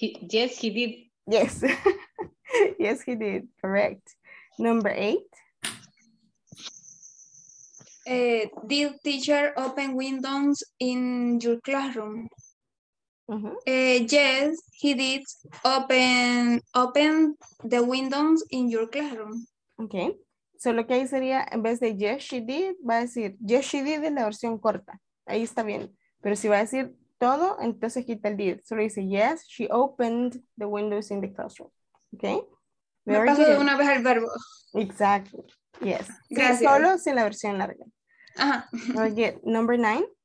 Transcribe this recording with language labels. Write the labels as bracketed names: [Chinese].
[English] Yes, he did. Correct. Number eight. Did teacher open windows in your classroom? Uh-huh. Yes, he did open the windows in your classroom. Okay. [Spanish] So lo que ahí sería, en vez de [English] yes, she did, [Spanish] va a decir yes, she did en la versión corta. Ahí está bien. Pero si va a decir todo, entonces quita el did. Solo dice, [English] yes, she opened the windows in the classroom. Okay? [Spanish] Me paso de una vez al verbo. [English] Exactly. Yes. [Spanish] Gracias. Sí, solo sin la versión larga. Ajá. [English] Okay, number nine.